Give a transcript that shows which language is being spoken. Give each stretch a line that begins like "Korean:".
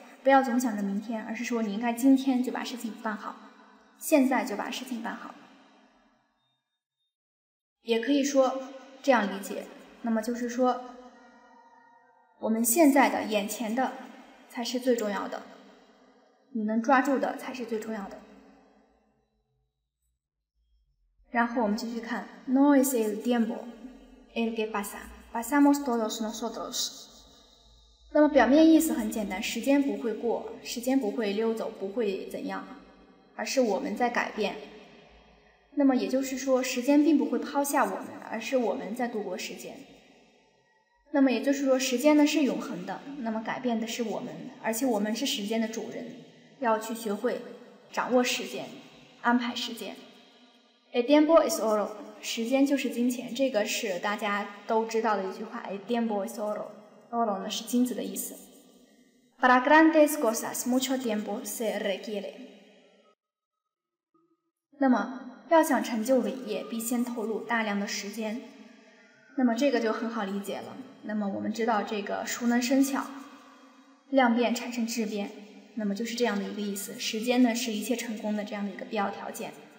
Chinese: 不要总想着明天，而是说你应该今天就把事情办好，现在就把事情办好。也可以说这样理解，那么就是说我们现在的眼前的才是最重要的，你能抓住的才是最重要的。然后我们继续看
Spanish: No es el tiempo el que pasa, pasamos todos nosotros。
Chinese: 那么表面意思很简单，时间不会过，时间不会溜走，不会怎样，而是我们在改变。那么也就是说，时间并不会抛下我们，而是我们在度过时间。那么也就是说，时间呢是永恒的，那么改变的是我们，而且我们是时间的主人，要去学会掌握时间，安排时间。
Spanish: El tiempo es oro，
Chinese: 时间就是金钱，这个是大家都知道的一句话。
Spanish: El tiempo es oro。
Chinese: Oro 呢是金子的意思。
Spanish: Para grandes cosas mucho tiempo se requiere。
Chinese: 那么，要想成就伟业，必先投入大量的时间。那么这个就很好理解了。那么我们知道这个熟能生巧，量变产生质变，那么就是这样的一个意思。时间呢是一切成功的这样的一个必要条件。